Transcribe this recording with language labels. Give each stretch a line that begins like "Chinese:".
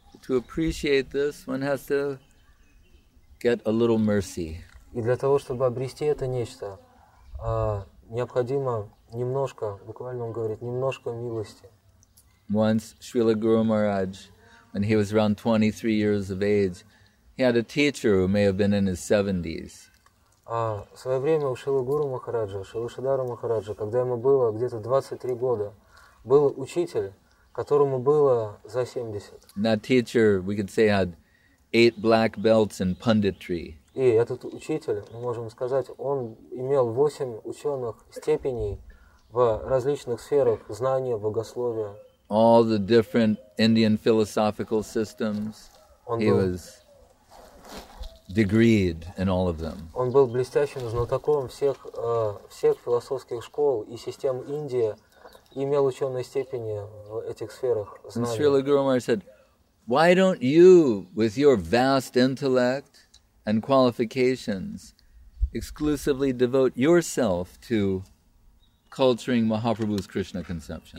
English: To appreciate this, one has to get a little mercy.
Russian: И для того, чтобы обрести это нечто, необходимо немножко, буквально он говорит, немножко милости.
English: Once Srila Guru Maharaj, when he was around 23 years of age, he had a teacher who may have been in his 70s.
Russian: В свое время у Шрилы Гуру Махараджа, Шрилы Шридхара Махараджа, когда ему было где-то 23 года, был учитель, которому было за 70.
English: That teacher, we could say, had 8 black belts in punditry.
Russian: И этот учитель, мы можем сказать, он имел 8 ученых степеней в различных сферах знания, богословия.
English: All the different Indian philosophical systems, he was degreed in all of them.
Russian: Он был блестящим знатоком всех, всех философских школ и систем Индии, и имел ученые степени в этих сферах знания.
English: Srila Guru Maharaj said, why don't you, with your vast intellect and qualifications, exclusively devote yourself to culturing Mahaprabhu's Krishna conception.